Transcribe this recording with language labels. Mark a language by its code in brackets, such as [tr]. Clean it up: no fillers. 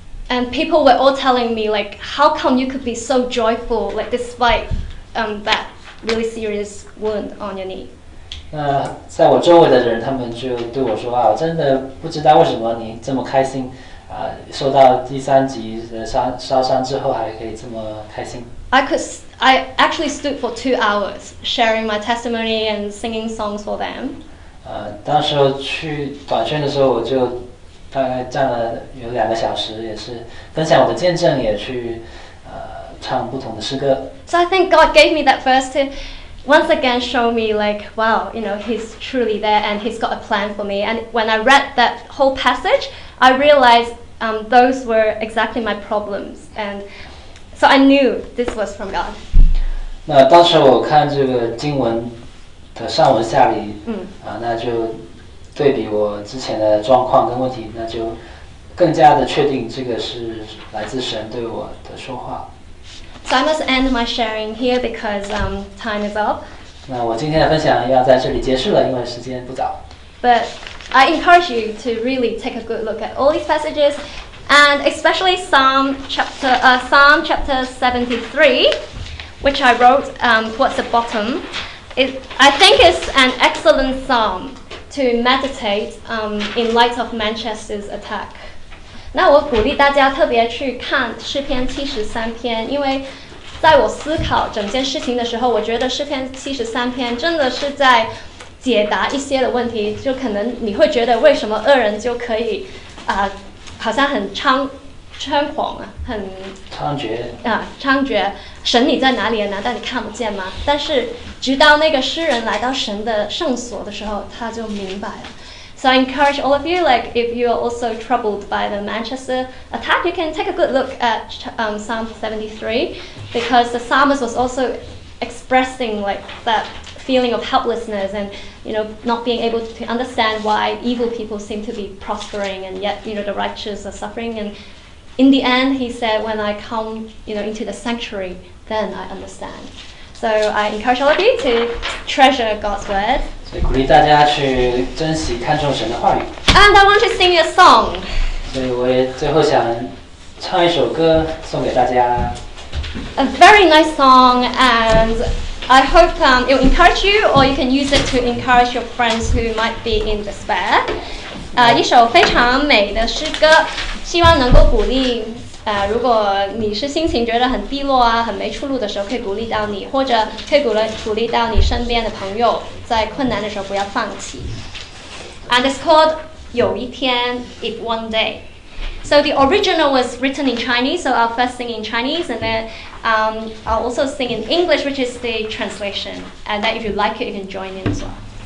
[en] And people were all telling me like, how come you could be so joyful like despite that really serious wound on your knee? [zh] 那在我周围的人，他们就对我说啊，真的不知道为什么你这么开心啊，受到第三级的烧伤之后还可以这么开心。 [en] I actually stood for 2 hours sharing my testimony and singing songs for them. [zh] 当时去短宣的时候，我就大概站了有2个小时，也是分享我的见证，也去唱不同的诗歌。 [en] So I think God gave me that verse to once again show me like, wow, you know, He's truly there and He's got a plan for me. And when I read that whole passage, I realized those were exactly my problems and. So I knew this was from God. [zh] 那当时我看这个经文的上文下理，那就对比我之前的状况跟问题，那就更加的确定这个是来自神对我的说话。 [en] So I must end my sharing here because time is up. [zh] 那我今天的分享要在这里结束了，因为时间不早。 [en] But I encourage you to really take a good look at all these passages. And especially Psalm chapter 73, which I wrote towards the bottom, I think it's an excellent psalm to meditate in light of Manchester's attack. [zh] 那我鼓励大家特别去看诗篇73篇，因为在我思考整件事情的时候，我觉得诗篇73篇真的是在解答一些的问题。就可能你会觉得为什么恶人就可以好像很猖狂啊，很猖獗啊，猖獗！神你在哪里啊？难道你看不见吗？但是直到那个诗人来到神的圣所的时候，他就明白了。 [en] So I encourage all of you, like if you are also troubled by the Manchester attack, you can take a good look at Psalm 73, because the psalmist was also expressing like that feeling of helplessness and. You know, not being able to understand why evil people seem to be prospering and yet, you know, the righteous are suffering. And in the end, he said, when I come, you know, into the sanctuary, then I understand. So I encourage all of you to treasure God's word. So I encourage [zh] 大家去珍惜看重神的话语。 [en] And I want to sing a song. So I [zh] 也最后想唱一首歌送给大家。 [en] A very nice song and... I hope it will encourage you, or you can use it to encourage your friends who might be in despair. [zh] 一首非常美的诗歌，希望能够鼓励。如果你是心情觉得很低落啊，很没出路的时候，可以鼓励到你，或者可以鼓励到你身边的朋友，在困难的时候不要放弃。 [en] And it's called 有一天 ，If One Day。 So the original was written in Chinese, so I'll first sing in Chinese, and then I'll also sing in English, which is the translation. And then if you like it, you can join in as well.